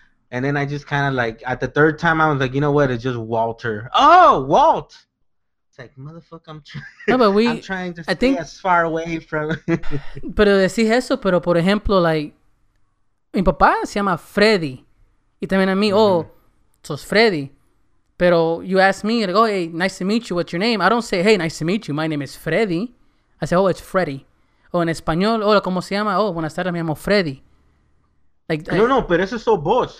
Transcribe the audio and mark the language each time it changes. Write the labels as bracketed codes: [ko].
[en] And then I just kind of like, at the third time, I was like, you know what? It's just Walter. Oh, Walt. It's like, motherfucker, I'm trying to stay as far away from. [es] Pero decís eso, pero por ejemplo, like, mi papá se llama Freddy. Y también a mí, oh. [en] So it's Freddy. Pero you ask me, like, oh, hey, nice to meet you. What's your name? I don't say, hey, nice to meet you. My name is Freddy. I say, oh, it's Freddy. [es] Oh, en español, hola, ¿cómo se llama? Oh, buenas tardes, me llamo Freddy. Like, no, pero eso es so vos.